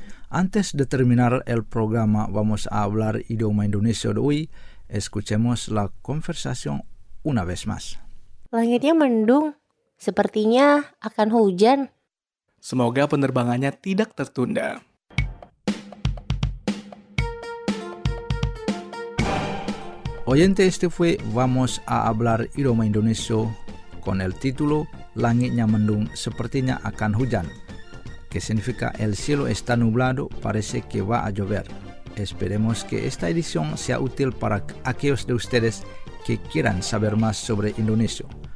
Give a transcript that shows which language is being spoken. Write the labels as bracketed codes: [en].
[es] Antes de terminar el programa, vamos a hablar idioma indonesio de hoy. Escuchemos la conversación una vez más. [id] Langitnya mendung. Sepertinya akan hujan. Semoga penerbangannya tidak tertunda. [es] Oyente, este fue Vamos a hablar idioma indonesio con el título [id] Langitnya mendung, sepertinya akan hujan, [es] que significa el cielo está nublado, parece que va a llover. Esperemos que esta edición sea útil para aquellos de ustedes que quieran saber más sobre indonesio.